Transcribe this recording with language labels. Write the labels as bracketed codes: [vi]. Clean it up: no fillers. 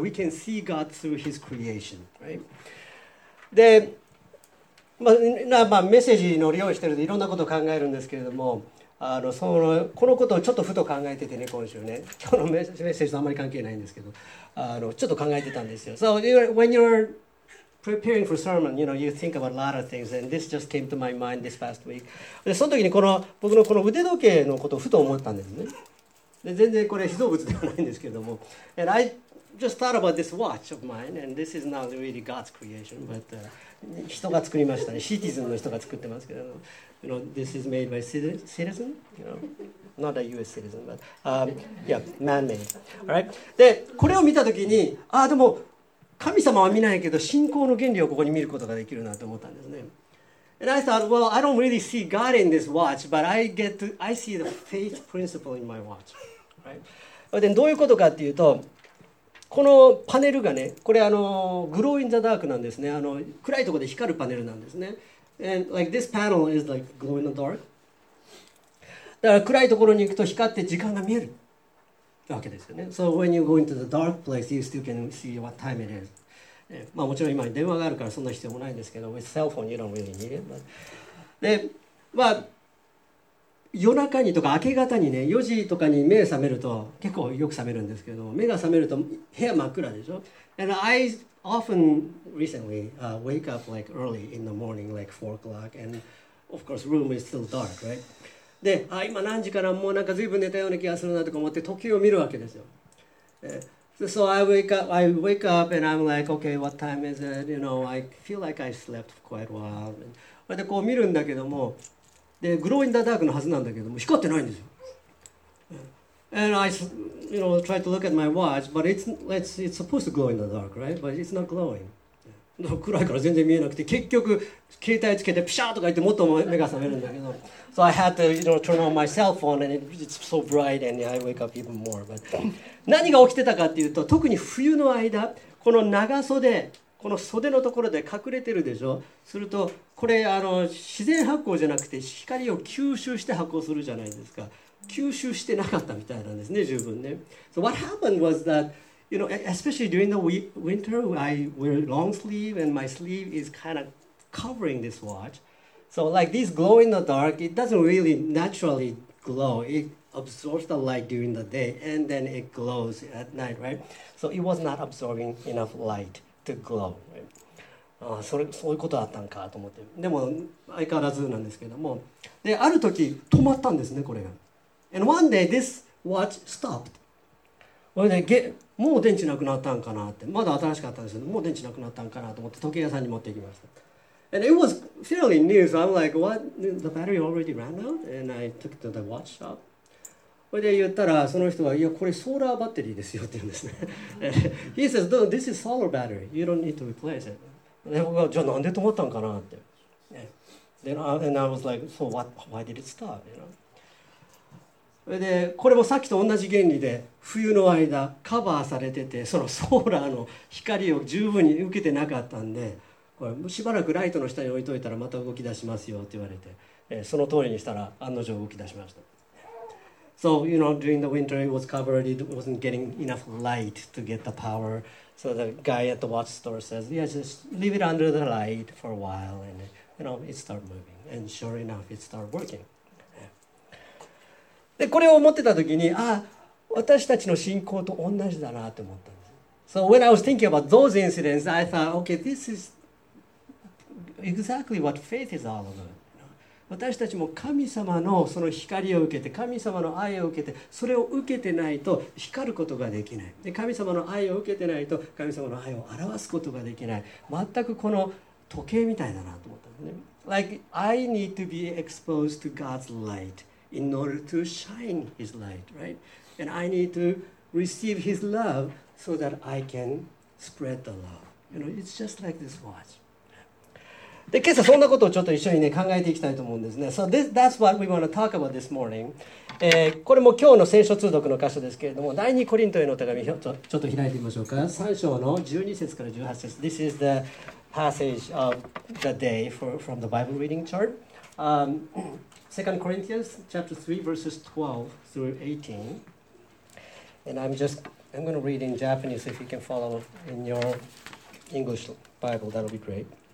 [en] We can see God through his creation. Right? [ja] で、まあ、メッセージの利用してるといろんなことを考えるんですけれども、このことをちょっとふと考えててね、今週ね、このメッセージとあんまり関係ないんですけど、ちょっと考えてたんですよ。 [en] So when you're preparing for sermon, you know, you think about a lot of things, and this just came to my mind this past week. [ja] で、その時にこの僕のこの腕時計のことをふと思ったんですね。で、全然これ被造物ではないんですけれども、 [en] and I just thought about this watch of mine, and this is not really God's creation, but [ja] 人が作りましたね。シティズンの人が作ってますけど、 [en] You know, this is made by citizen, you know, not a U.S. citizen, but yeah, man-made. All right. [ja] で、これを見たときに、ああ、でも神様は見ないけど信仰の原理をここに見ることができるなと思ったんですね。 [en] And I thought, well, I don't really see God in this watch, but I see the faith principle in my watch. [ja] Right. で、どういうことかっていうと、このパネルがね、これGlow in the Dark なんですね。暗いところで光るパネルなんですね。 [en] And like this panel is like glow in the dark. [ja] だから暗いところに行くと光って時間が見えるわけですよね。 [en] So when you go into the dark place, you still can see what time it is. [ja] まあもちろん今電話があるからそんな必要もないんですけど、 [en] with cell phone you don't really need it. But... [ja] で、まあ夜中にとか明け方にね、4時とかに目覚めると結構よく覚めるんですけど、目が覚めると部屋真っ暗でしょ。 [en] And I often recently wake up like early in the morning, like 4 o'clock, and of course room is still dark, right? [ja] で、あ、今何時かな、もうなんか随分寝たような気がするなとか思って時計を見るわけですよ。 [en] So I wake up and I'm like, okay, what time is it? You know, I feel like I slept for quite a while. [ja] でこう見るんだけども、で、グローインダーダークのはずなんだけども、光ってないんですよ。 [en] And I, you know, try to look at my watch, but it's supposed to glow in the dark, right? But it's not glowing. [ja] 暗いから全然見えなくて、結局、携帯つけてピシャーとか言ってもっと目が覚めるんだけど。 [en] So I had to, you know, turn on my cell phone, and it's so bright, and I wake up even more. [ja] But 何が起きてたかっていうと、特に冬の間、この長袖、この袖のところで隠れてるでしょ。すると、これ自然発光じゃなくて光を吸収して発光するじゃないですか。吸収してなかったみたいなんですね、十分ね。 [en] So what happened was that, you know, especially during the winter, I wear long sleeve and my sleeve is kind of covering this watch. So like this glow in the dark, it doesn't really naturally glow. It absorbs the light during the day and then it glows at night, right? So it was not absorbing enough light. To glow, right? [ja] そういうことだったんかと思って、でも相変わらずなんですけども、で、ある時止まったんですね、これが。 [en] And one day this watch stopped. [ja] これね、もう電池なくなったんかなって、まだ新しかったんですけど、もう電池なくなったんかなと思って時計屋さんに持って行きました。 [en] And it was fairly new, so I'm like, what? The battery already ran out? And I took it to the watch shop. [ja] それで言ったら、その人は、いや、これソーラーバッテリーですよって言うんですね。 [en] He says, no, this is solar battery. You don't need to replace it. [ja] で、僕は、じゃあなんで止まったんかなって。 [en] Then and I was like, so what, why did it stop? You know? [ja] で、これもさっきと同じ原理で、冬の間、カバーされてて、そのソーラーの光を十分に受けてなかったんで、これしばらくライトの下に置いといたら、また動き出しますよって言われて、その通りにしたら、案の定動き出しました。 [en] So, you know, during the winter it was covered, it wasn't getting enough light to get the power. So the guy at the watch store says, yeah, just leave it under the light for a while and, you know, it started moving. And sure enough, it started working. [ja] で、これを思ってた時に、ああ、私たちの信仰と同じだなって思ったんです。 [en] So when I was thinking about those incidents, I thought, okay, this is exactly what faith is all about. [ja] 私たちも神様のその光を受けて、神様の愛を受けて、それを受けてないと光ることができない。で、神様の愛を受けてないと神様の愛を表すことができない。全くこの時計みたいだなと思ったんですね。 [en] Like, I need to be exposed to God's light in order to shine His light, right? And I need to receive His love so that I can spread the love. You know, it's just like this watch. [ja] で、今朝そんなことをちょっと一緒にね、考えていきたいと思うんですね。 [en] So that's what we want to talk about this morning. [ja] これも今日の聖書通読の箇所ですけれども、第二コリントへの手紙、ちょっと開いてみましょうか。 3章の12節から18節。 [en] This is the passage of the day from the Bible reading chart. 2 Corinthians chapter 3 verses 12 through 18. And I'm going to read in Japanese. If you can follow in your English Bible, that'll be great.